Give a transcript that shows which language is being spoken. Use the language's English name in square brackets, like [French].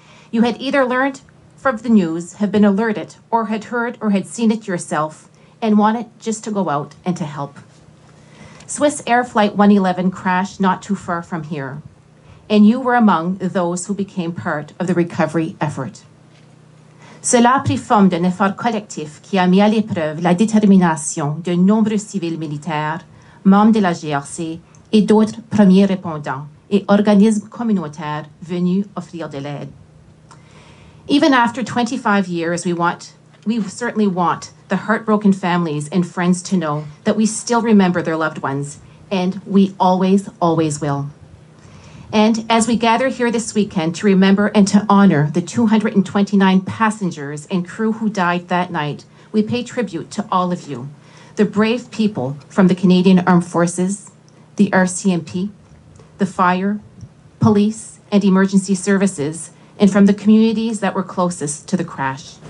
[English] You had either learned from the news, have been alerted, or had heard or had seen it yourself and wanted just to go out and to help. Swissair Flight 111 crashed not too far from here, and you were among those who became part of the recovery effort. [French] Cela a pris forme d'un effort collectif qui a mis à l'épreuve la détermination de nombreux civils militaires, membres de la GRC et d'autres premiers répondants et organismes communautaires venus offrir de l'aide. [English] Even after 25 years, we certainly want the heartbroken families and friends to know that we still remember their loved ones, and we always, always will. And as we gather here this weekend to remember and to honor the 229 passengers and crew who died that night, we pay tribute to all of you, the brave people from the Canadian Armed Forces, the RCMP, the fire, police, and emergency services, and from the communities that were closest to the crash.